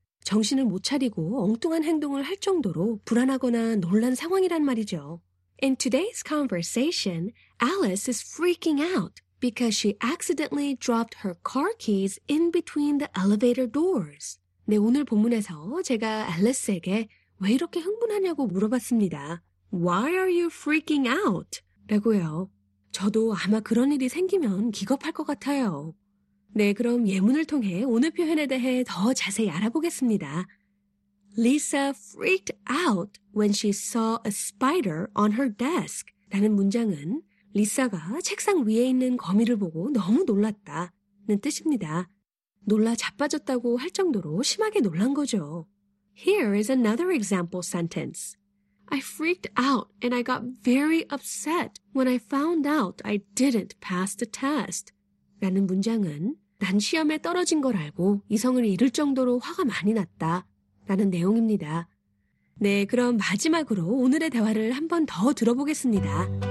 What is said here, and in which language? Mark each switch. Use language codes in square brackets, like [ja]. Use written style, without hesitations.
[ko] 정신을 못 차리고 엉뚱한 행동을 할 정도로 불안하거나 놀란 상황이란 말이죠. [en] In today's conversation, Alice is freaking out because she accidentally dropped her car keys in between the elevator doors. [ko] 네, 오늘 본문에서 제가 앨리스에게 왜 이렇게 흥분하냐고 물어봤습니다. [en] Why are you freaking out? [ko] 라고요. 저도 아마 그런 일이 생기면 기겁할 것 같아요. 네, 그럼 예문을 통해 오늘 표현에 대해 더 자세히 알아보겠습니다. [en] Lisa freaked out when she saw a spider on her desk. [ko] 라는 문장은 리사가 책상 위에 있는 거미를 보고 너무 놀랐다는 뜻입니다. 놀라 자빠졌다고 할 정도로 심하게 놀란 거죠. [en] Here is another example sentence. I freaked out and I got very upset when I found out I didn't pass the test. [ko] 라는 문장은 난 시험에 떨어진 걸 알고 이성을 잃을 정도로 화가 많이 났다 라는 내용입니다. 네, 그럼 마지막으로 오늘의 대화를 한 번 더 들어보겠습니다.